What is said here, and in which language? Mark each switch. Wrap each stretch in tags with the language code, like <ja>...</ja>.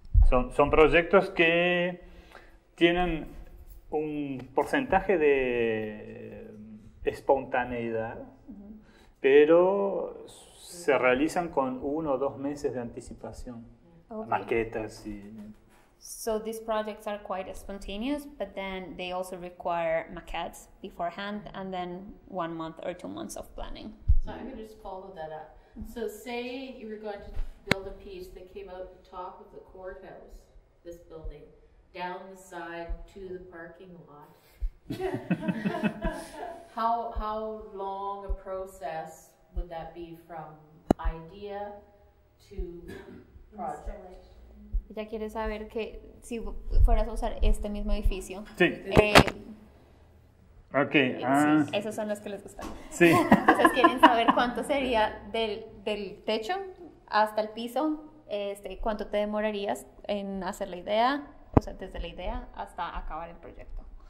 <es>Son proyectos que tienen un porcentaje de espontaneidad, pero se realizan con 1 o 2 meses de anticipación.</es> <en>Okay.</en> <es>Maquetas y.</es> <en>So these projects are quite spontaneous, but then they also require maquettes beforehand and then 1 month or 2 months of planning. So I'm going to just follow that up. So say you were going to build a piece that came out the top of the courthouse, this building, down the side to the parking lot. How long a process would that be from idea to project?</en> <es>Ella quiere saber que si fueras a usar este mismo edificio. Sí.</es> <en>Okay.</en> <es>Esos son los que les gustan. Sí. Entonces quieren saber cuánto sería del techo hasta el piso, cuánto te demorarías en hacer la idea, o sea, desde la idea hasta acabar el proyecto.</es>